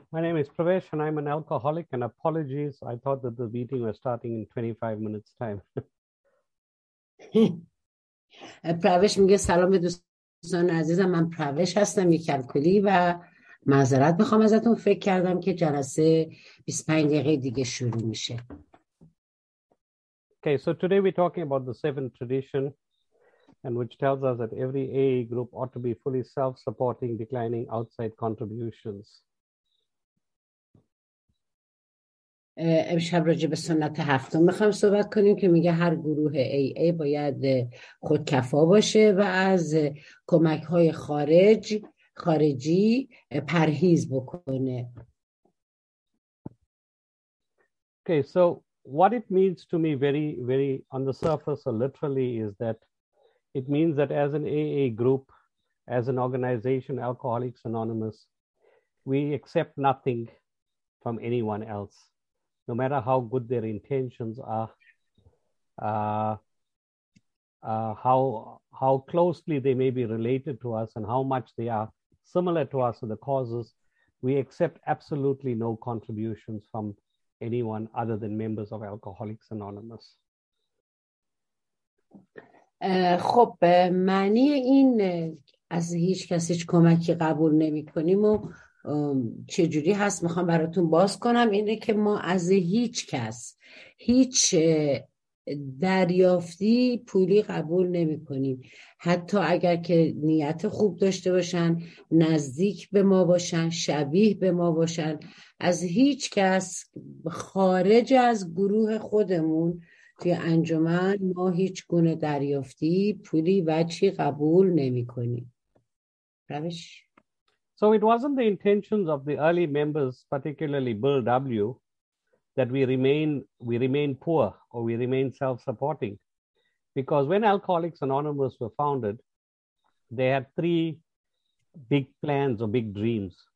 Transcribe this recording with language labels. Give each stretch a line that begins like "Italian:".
English: My name is Pravesh and I'm an alcoholic and apologies. I thought that the meeting was starting in 25 minutes time.
Persian: پروش میگه سلام به دوستان عزیزم، من پروش هستم، یک الکلی و معذرت میخوام ازتون. فکر کردم که جلسه 25 دقیقه دیگه شروع میشه.
English: Okay, so today we're talking about the seventh tradition and which tells us that every AA group ought to be fully self-supporting, declining outside contributions.
Persian: امشب راجع به سنت هفتم میخوام صحبت کنیم که میگه هر گروه AA باید خودکفا باشه و از کمک های خارجی پرهیز بکنه.
English: Okay, so what it means to me very, very on the surface or literally is that it means that as an AA group, as an organization, Alcoholics Anonymous, we accept nothing from anyone else. No matter how good their intentions are, how closely they may be related to us and how much they are similar to us in the causes, we accept absolutely no contributions from anyone other than members of Alcoholics Anonymous.
Persian: خب معنی این از هیچ کس هیچ کمکی قبول نمی کنیم و چجوری هست میخوام براتون باز کنم، اینه که ما از هیچ کس هیچ دریافتی پولی قبول نمی کنیم، حتی اگر که نیت خوب داشته باشن، نزدیک به ما باشن، شبیه به ما باشن، از هیچ کس خارج از گروه خودمون توی انجمن ما هیچ گونه دریافتی پولی و چی قبول نمی کنیم. روش؟
English: So it wasn't the intentions of the early members, particularly Bill W., that we remain poor or we remain self-supporting. Because when Alcoholics Anonymous were founded, they had three big plans or big dreams.